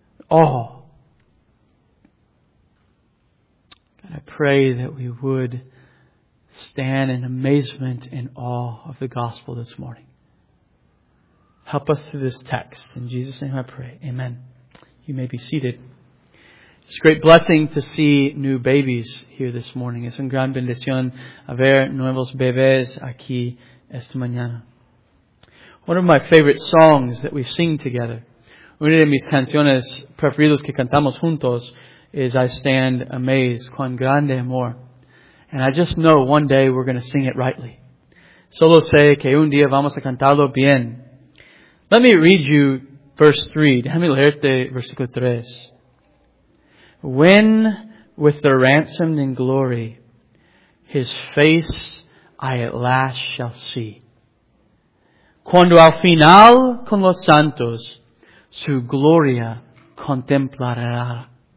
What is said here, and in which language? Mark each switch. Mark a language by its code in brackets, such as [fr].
[en] Oh, God, I pray that we would stand in amazement and awe of the gospel this morning. Help us through this text. In Jesus' name I pray. Amen. You may be seated. It's a great blessing to see new babies here this morning. [es] Es una gran bendición ver nuevos bebés aquí esta mañana. [en] One of my favorite songs that we sing together, [es] una de mis canciones preferidas que cantamos juntos, [en] is I Stand Amazed, Cuán Grande Amor. And I just know one day we're going to sing it rightly. [es] Solo sé que un día vamos a cantarlo bien. [en] Let me read you verse 3. [es] Déjame leerte versículo 3. [en] When with the ransomed in glory, his face I at last shall see. [es] Cuando al final con los santos, su gloria contemplaré.